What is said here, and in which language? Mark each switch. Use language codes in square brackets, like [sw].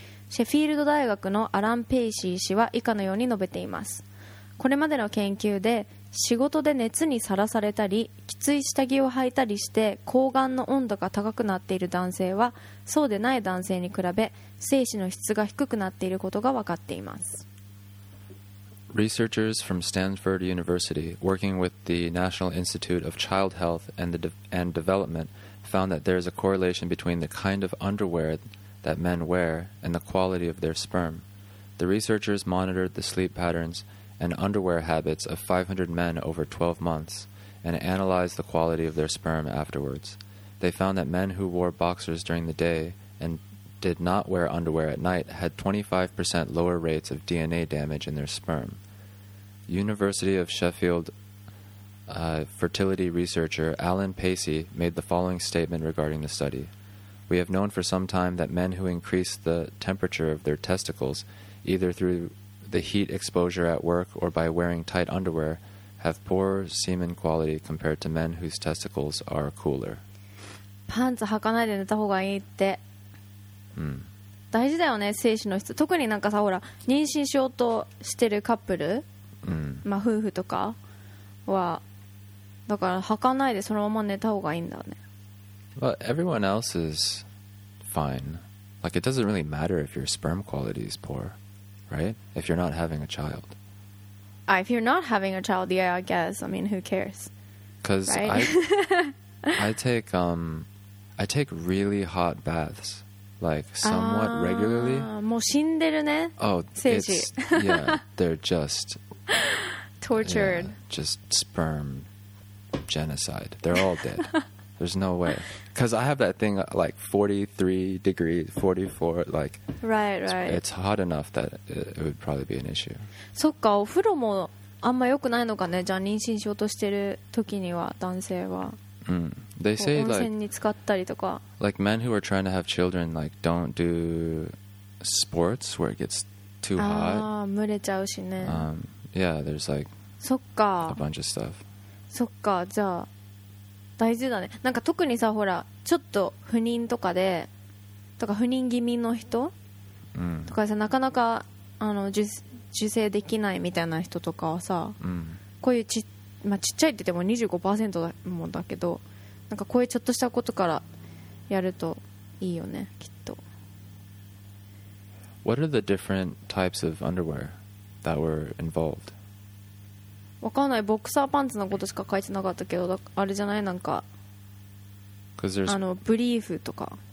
[ja] シェフィールド大学のアラン・ペイシー氏は以下のように述べています。これまでの研究で、仕事で熱にさらされたり、きつい下着を履いたりして睾丸の温度が高くなっている男性は、そうでない男性に比べ精子の質が低くなっていることが分かっています。 [en] Researchers from Stanford University working with the National Institute of Child Health and Development found that there is a correlation between the kind of underwearthat men wear and the quality of their sperm. The researchers monitored the sleep patterns and underwear habits of 500 men over 12 months and analyzed the quality of their sperm afterwards. They found that men who wore boxers during the day and did not wear underwear at night had 25% lower rates of DNA damage in their sperm. University of Sheffield fertility researcher Alan Pacey made the following statement regarding the study. We have known for some time that men who increase the temperature of their testicles, either through the heat exposure at work or by wearing tight underwear, have poor semen quality compared to men whose testicles are cooler. [ja] パンツ履かないで寝た方がいいって。大事だよね、精子の質。特になんかさ、ほら、妊娠しようとしてるカップル、まあ夫婦とかは、だから履かないでそのまま寝た方がいいんだよね。 [en] But everyone else is fine. Like, it doesn't really matter if your sperm quality is poor, right? If you're not having a child. If you're not having a child, yeah, I guess. I mean, who cares? Because I take really hot baths, like, somewhat regularly. [ja] もう死んでるね。 Oh, 精子. [en] It's, yeah, they're just... Tortured. Yeah, just sperm genocide. They're all dead. There's no way. Because I have that thing like 43 degrees, 44, like... Right, right. It's hot enough that it would probably be an issue. [ja] そっか、お風呂もあんま良くないのかね、じゃあ妊娠しようとしてる時には、男性は。 [en] They say like... [ja] 温泉に浸かったりとか。 [en] Like men who are trying to have children, like don't do sports where it gets too hot. [ja] ああ、蒸れちゃうしね。 [en] Yeah, there's like... [ja] そっか。 [en] A bunch of stuff. [ja] そっか、じゃあ。大事だね。なんか特にさ、ほら、ちょっと不妊とかで、とか不妊気味の人、とかさ、なかなか受精できないみたいな人とかはさ、こういうちっちゃいって言っても 25% だもんだけど、なんかこういうちょっとしたことからやるといいよね、きっと。 [en] What are the different types of underwear that were involved? [ja] わかんない、ボクサーパンツのことしか書いてなかったけど、あれじゃない、なんかあのブリーフとか、